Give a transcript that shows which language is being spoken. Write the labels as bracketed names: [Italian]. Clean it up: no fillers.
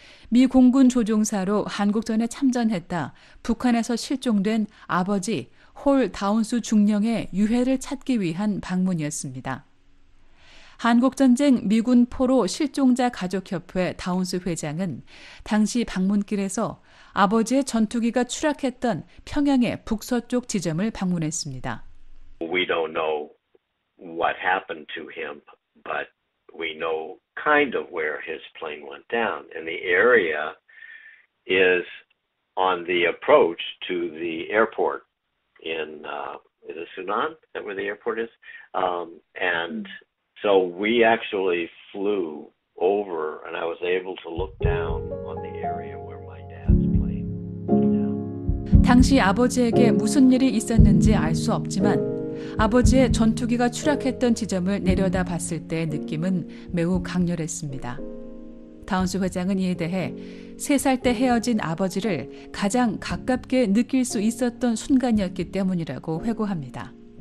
[Korean] 미 공군 조종사로 한국전에 참전했다 북한에서 실종된 아버지 홀 다운스 중령의 유해를 찾기 위한 방문이었습니다. 한국전쟁 미군 포로 실종자 가족협회 다운스 회장은 당시 방문길에서 아버지의 전투기가 추락했던 평양의 북서쪽 지점을 방문했습니다. [English] We don't know what happened to him, but we know kind of where his plane went down. And the area is on the approach to the airport. In is it Sunan that where the airport is? And so we actually flew over, and I was able to look down on the area where my dad's plane went down. [Korean] 당시 아버지에게 무슨 일이 있었는지 알 수 없지만 아버지의 전투기가 추락했던 지점을 내려다 봤을 때의 느낌은 매우 강렬했습니다. 다운스 회장은 이에 대해 3살 때 헤어진 아버지를 가장 가깝게 느낄 수 있었던 순간이었기 때문이라고 회고합니다.